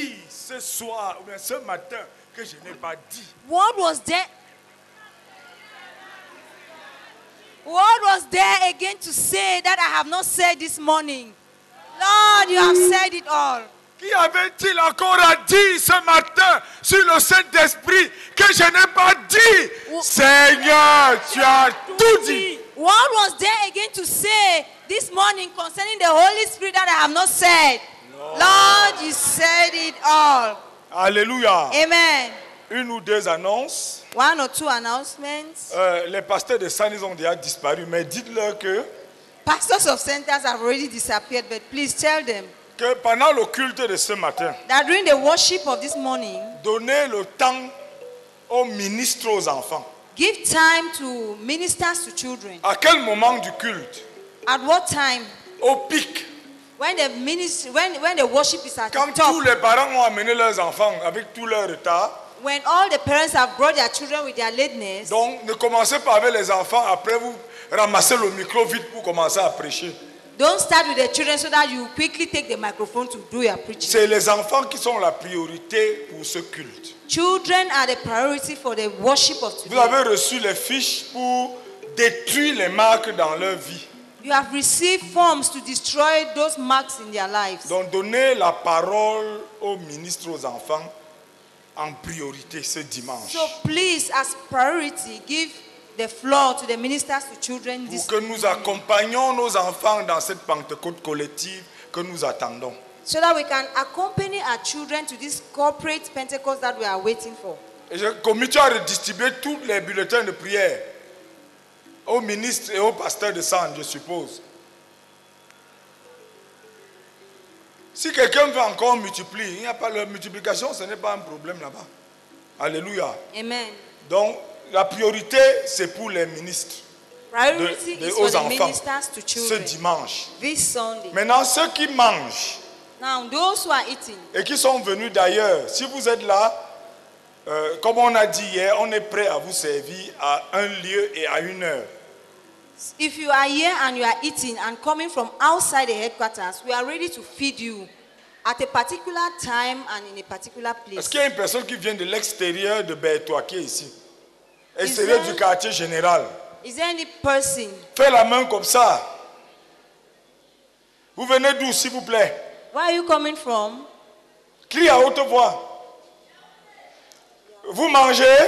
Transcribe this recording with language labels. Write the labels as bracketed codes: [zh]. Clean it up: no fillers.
[fr] ce soir ou ce matin que je n'ai pas dit? [en] What was there again to say that I have not said this morning? Lord, you have said it all. [fr] Qui avait-il encore à dire ce matin sur le Saint-Esprit que je n'ai pas dit? Seigneur, tu as tout dit. [en] What was there again to say this morning concerning the Holy Spirit that I have not said? Lord, you said it all. Alléluia. Amen. [fr] Une ou deux annonces. [en] One or two announcements. [fr] Les pasteurs de Saint-Denis ont déjà disparu, mais dites-leur que... [en] Pastors of centers have already disappeared, but please tell them [fr] que pendant le culte de ce matin, [en] that during the worship of this morning, [fr] donnez le temps aux ministres aux enfants. [en] Give time to ministers to children. [fr] À quel moment du culte? [en] At what time? [fr] Au pic. [en] When the worship is at [fr] quand [en] the top. [fr] Quand tous les parents ont amené leurs enfants avec tout leur retard. [en] When all the parents have brought their children with their lateness. [fr] Donc ne commencez pas avec les enfants, après vous ramassez le micro vite pour commencer à prêcher. [en] Don't start with the children so that you quickly take the microphone to do your preaching. [fr] C'est les enfants qui sont la priorité pour ce culte. [en] Children are the priority for the worship of today. [fr] Vous avez reçu les fiches pour détruire les marques dans leur vie. [en] You have received forms to destroy those marks in their lives. [fr] Donc donnez la parole au ministre aux enfants en priorité ce dimanche. [en] So please, as priority, give the floor to the ministers to children this [fr] pour que nous accompagnions nos enfants dans cette Pentecôte collective que nous attendons. [en] So that we can accompany our children to this corporate Pentecost that we are waiting for. [fr] Et je commence à redistribuer tous les bulletins de prière aux ministres et aux pasteurs de Saint, je suppose. Si quelqu'un veut encore multiplier, il n'y a pas la multiplication, ce n'est pas un problème là-bas. Alléluia. Amen. Donc, la priorité, c'est pour les ministres. [en] Priority is for the ministers to children. [fr] Ce dimanche. [en] This Sunday. [fr] Maintenant, ceux qui mangent. [en] Now, those who are eating. [fr] Et qui sont venus d'ailleurs. Si vous êtes là, comme on a dit hier, on est prêt à vous servir à un lieu et à une heure. [en] If you are here and you are eating and coming from outside the headquarters, we are ready to feed you at a particular time and in a particular place. [fr] Est-ce qu'il y a une personne qui vient de l'extérieur de Bertois qui est ici? Extérieur du quartier général. [en] Is there any person? [fr] Fais la main comme ça. Vous venez d'où, s'il vous plaît? [en] Where are you coming from? [fr] Crie à haute voix. Vous mangez?